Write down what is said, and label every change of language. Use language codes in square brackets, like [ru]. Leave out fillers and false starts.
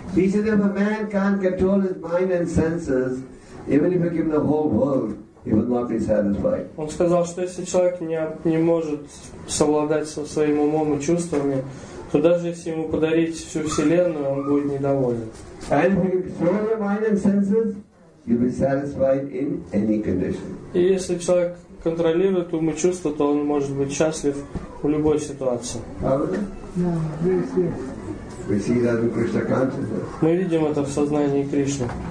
[en] He said, if a man can't control his mind and senses, even if he gave the whole world, he would not be satisfied. [ru] Он сказал, что если человек не может совладать со своим умом и чувствами, то даже если ему подарить всю вселенную, он будет недоволен. [en] And if you control your mind and senses, you'll be satisfied in any condition. [ru] И если человек контролирует ум и чувства, то он может быть счастлив в любой ситуации. Мы видим это в сознании Кришны.